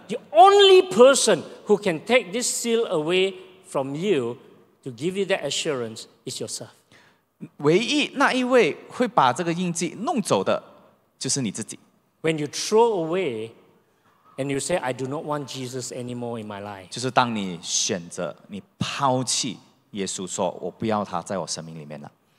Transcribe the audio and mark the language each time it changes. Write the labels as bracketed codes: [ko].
[en] the only person who can take this seal away from you to give you that assurance is yourself. [zh] 唯一那一位会把这个印记弄走的就是你自己。 [en] When you throw away and you say, I do not want Jesus anymore in my life. [zh] 就是当你选择你抛弃耶稣说我不要他在我生命里面了。